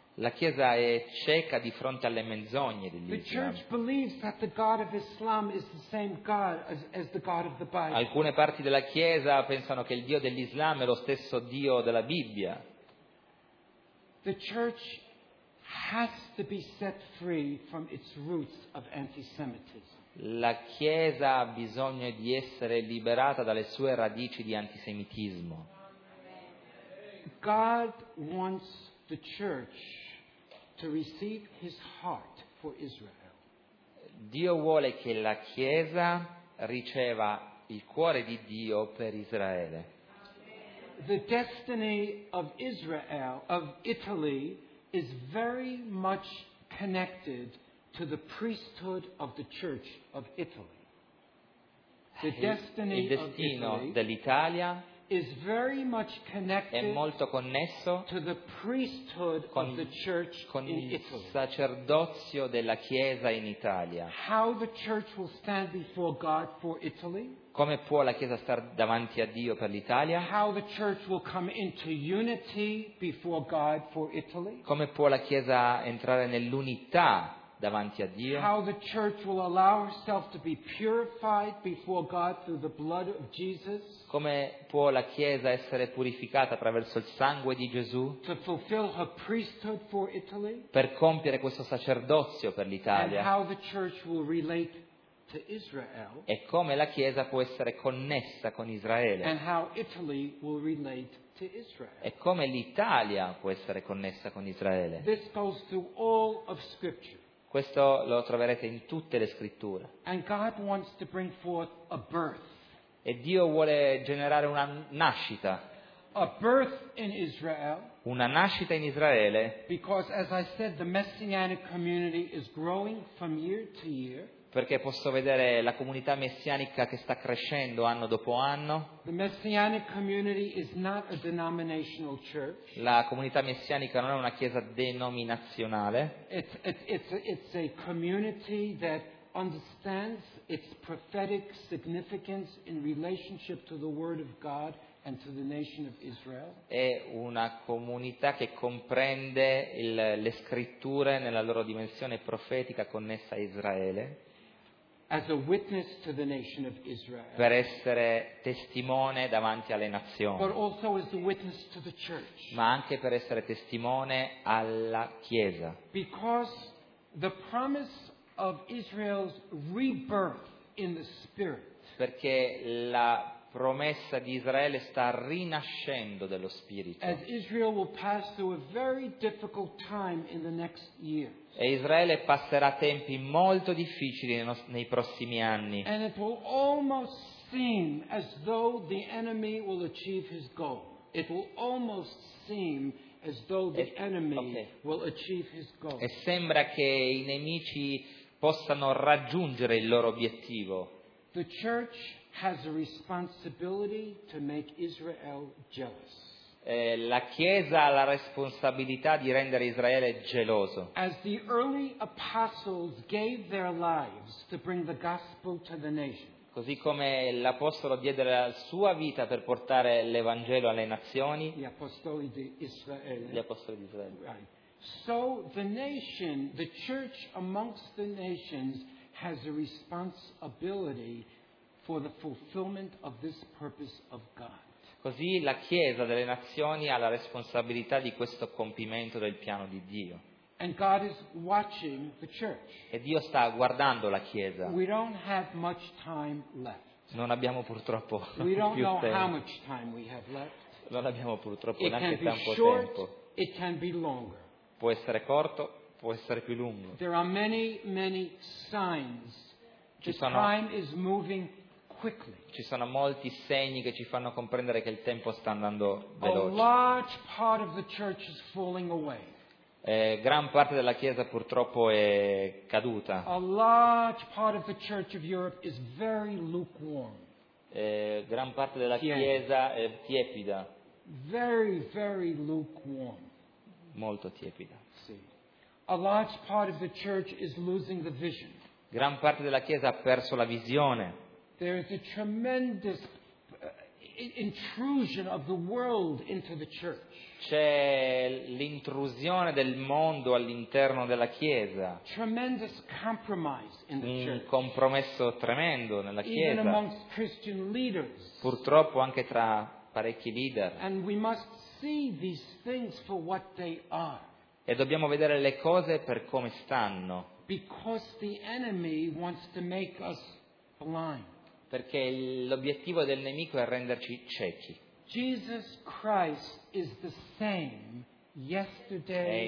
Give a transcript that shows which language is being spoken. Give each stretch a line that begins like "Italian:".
Italian: La Chiesa è cieca di fronte alle menzogne dell'Islam.
English: The church believes that the God of Islam is the same God as the God of the Bible.
Italian: Alcune parti della Chiesa pensano che il Dio dell'Islam è lo stesso Dio della Bibbia.
English: The church has to be set free from its roots of antisemitism.
Italian: La Chiesa ha bisogno di essere liberata dalle sue radici di antisemitismo.
English: God wants the church to receive his heart for Israel.
Italian: Dio vuole che la Chiesa riceva il cuore di Dio per Israele.
English: The destiny of Israel, of Italy, is very much connected to the priesthood of the Church of Italy. The destiny of Italy
Italian: dell'Italia
English: is very much connected
Italian: è molto connesso
English: to the priesthood
Italian: con,
English: of the church
Italian: con in il sacerdozio della Chiesa in Italia.
English: How the church will stand before God for Italy?
Italian: Come può la Chiesa stare davanti a Dio per l'Italia?
English: How the church will come into unity before God for Italy?
Italian: Come può la Chiesa entrare nell'unità davanti a Dio?
English: How the church will allow herself to be purified before God through the blood of Jesus?
Italian: Come può la Chiesa essere purificata attraverso il sangue di Gesù?
English: To fulfill her priesthood for Italy?
Italian: Per compiere questo sacerdozio per l'Italia.
English: And how the church will relate to Israel?
Italian: E come la Chiesa può essere connessa con Israele?
English: And how Italy will relate to Israel?
Italian: E come l'Italia può essere connessa con Israele?
English: This goes through all of Scripture.
Italian: Questo lo troverete in tutte le scritture.
English: And God wants to bring forth a birth.
Italian: E Dio vuole generare una nascita.
English: A birth in Israel.
Italian: Una nascita in Israele.
English: Because, as I said, the messianic community is growing from year to year.
Italian: Perché posso vedere la comunità messianica che sta crescendo anno dopo anno.
English: The messianic community is not a denominational church.
Italian: La comunità messianica non è una chiesa denominazionale.
English: It's a community that understands its prophetic significance in relationship to the word of God and to the nation of Israel.
Italian: È una comunità che comprende le scritture nella loro dimensione profetica connessa a Israele.
English: As a witness to the nation of Israel,
Italian: per essere testimone davanti alle nazioni,
English: but also as a witness to the church,
Italian: ma anche per essere testimone alla Chiesa.
English: Because the promise of Israel's rebirth in the Spirit,
Italian: perché la promessa di Israele sta rinascendo dello Spirito.
English: As Israel will pass through a very difficult time in the next year.
Italian: E Israele passerà tempi molto difficili nei prossimi anni.
English: And it will almost seem as though the enemy will achieve his goal. It will almost seem as though the enemy will achieve his goal.
Italian: E sembra che i nemici possano raggiungere il loro obiettivo.
English: The church has a responsibility to make Israel jealous.
Italian: La Chiesa ha la responsabilità di rendere Israele geloso.
English: As the early apostles gave their lives to bring the gospel to the nation.
Italian: Così come l'apostolo diede la sua vita per portare l'evangelo alle nazioni. Gli apostoli di Israele. Gli apostoli di Israele.
English: Right. So the nation, the church amongst the nations, has a responsibility for the fulfillment of this purpose of God.
Italian: Così la Chiesa delle Nazioni ha la responsabilità di questo compimento del piano di Dio.
English: And God is watching the church.
Italian: E Dio sta guardando la Chiesa.
English: We don't have much time left.
Italian: Non abbiamo purtroppo
English: we don't
Italian: più
English: know
Italian: tempo.
English: How much time we have left.
Italian: Non abbiamo purtroppo
English: it
Italian: neanche
English: can be
Italian: tanto
English: short,
Italian: tempo.
English: It can be longer.
Italian: Può essere corto, può essere più lungo.
English: There are many, many signs. Time is moving quickly.
Italian: Ci sono molti segni che ci fanno comprendere che il tempo sta andando veloce.
English: A large part of the church is falling away.
Italian: Gran parte della Chiesa purtroppo è caduta.
English: A large part of the Church of Europe is very lukewarm.
Italian: Gran parte della Chiesa è tiepida.
English: Very, very lukewarm.
Italian: Molto tiepida. Sì.
English: A large part of the Church is losing the vision.
Italian: Gran parte della Chiesa ha perso la visione.
English: There is a tremendous intrusion of the world into the church.
Italian: C'è l'intrusione del mondo all'interno della Chiesa.
English: Tremendous compromise in the church.
Italian: Un compromesso tremendo nella Chiesa.
English: Even amongst Christian leaders.
Italian: Purtroppo anche tra parecchi leader.
English: And we must see these things for what they are.
Italian: E dobbiamo vedere le cose per come stanno.
English: Because the enemy wants to make us blind.
Italian: Perché l'obiettivo del nemico è renderci ciechi.
English: Jesus Christ is the same yesterday,